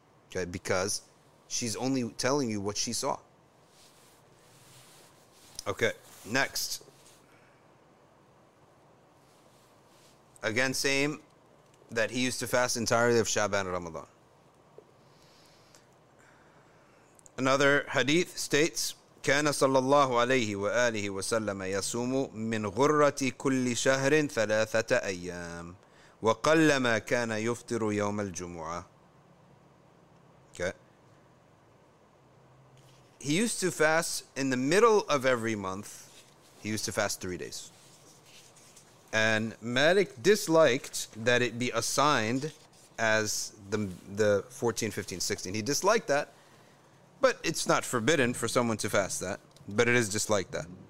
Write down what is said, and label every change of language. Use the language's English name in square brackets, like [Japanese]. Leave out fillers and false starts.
[English] Okay, because she's only telling you what she saw. Okay, next. Again, same, that he used to fast entirely of Shaban and Ramadan. Another hadith states, [Arabic] كان صلى الله عليه وآله وسلم يصوم من غرة كل شهر ثلاثة أيام وقلما كان يفطر يوم الجمعة. [English] Okay. He used to fast in the middle of every month. He used to fast 3 days. And Malik disliked that it be assigned as the 14, 15, 16. He disliked that. But it's not forbidden for someone to fast that. But it is disliked that.